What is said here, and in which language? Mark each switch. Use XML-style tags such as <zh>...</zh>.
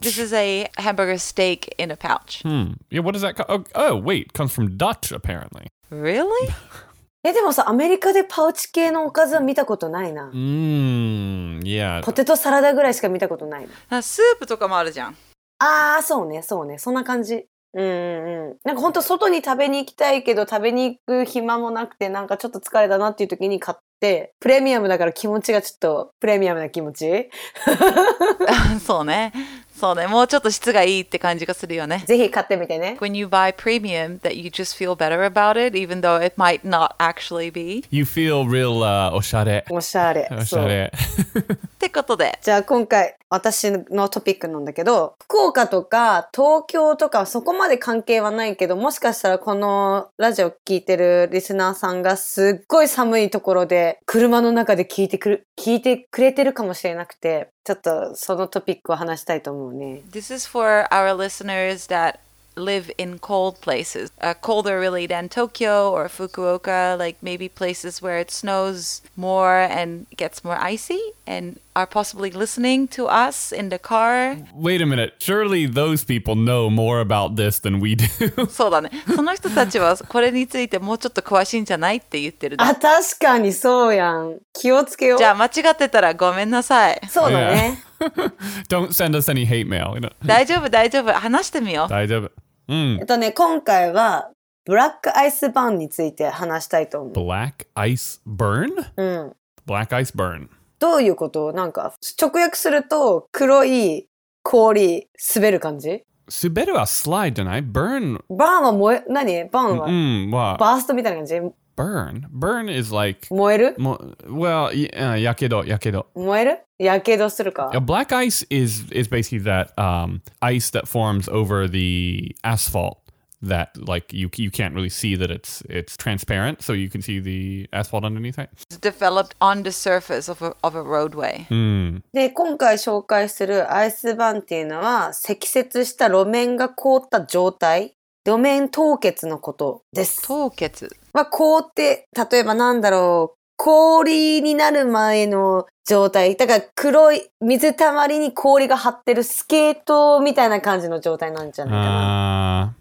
<en>This is a hamburger steak in a pouch. Hmm. Yeah, what is that? Oh, wait. It comes from Dutch, apparently. Really?</en> <ja>え、でもさ、アメリカでパウチ系のおかずは見たことないな。</ja> <en>Yeah.</en> <ja>ポテトサラダぐらいしか見たことないな。スープとかもあるじゃん。ああ、そうね、そうね。そんな感じ。なんかほんと外に食べに行きたいけど、食べに行く暇もなくて、なんかちょっと疲れたなっていう時に買って、プレミアムだから気持ちがちょっとプレミアムな気持ち。そうね。そうね。もうちょっと質がいいって感じがするよね。ぜひ買ってみてね。</ja> <en>When you buy premium, that you just feel better about it, even though it might not actually be. You feel real, おしゃれ。</en> <ja>おしゃれ。おしゃれ。ってことで。じゃあ今回、私のトピックなんだけど、福岡とか東京とかそこまで関係はないけど、もしかしたらこのラジオ聞いてるリスナーさんがすっごい寒いところで、車の中で聞いてくれてるかもしれなくて、ちょっとそのトピックを話したいと思うね。</ja> <en>This is for our listeners that live in cold places.、colder really than Tokyo or Fukuoka, like maybe places where it snows more and gets more icy and are possibly listening to us in the car. Wait a minute. Surely those people know more about this than we do.</en> <ja>そうだね。その人たちはこれについてもうちょっと詳しいんじゃないって言ってる。あ、確かにそうやん。気をつけよ。じゃあ間違ってたらごめんなさい。そうだね。Yeah.</ja> <en>Don't send us any hate mail. You know?</en> <ja>大丈夫、大丈夫。話してみよう。大丈夫。うん。ね、今回はブラックアイスバーンについて話したいと思う。ブラックアイスバーン？うん。ブラックアイスバーン。どういうこと？なんか直訳すると黒い氷滑る感じ？滑るはスライドじゃない？バーン。バーンは燃え、何？バーンは。は。バーストみたいな感じ？</ja> <en>Burn? Burn is like...</en> <ja>燃える？ Well, やけど、やけど。燃える？やけどするか。</ja> <en>Yeah, black ice is basically that ice that forms over the asphalt that like you can't really see that it's transparent, so you can see the asphalt underneath it. It's developed on the surface of a roadway.、 Mm.</en> <ja>で、今回紹介するアイスバーンっていうのは、積雪した路面が凍った状態、路面凍結のことです。凍結まあ、凍って、例えばなんだろう、氷になる前の状態。だから黒い水たまりに氷が張ってるスケートみたいな感じの状態なんじゃないかな。</ja>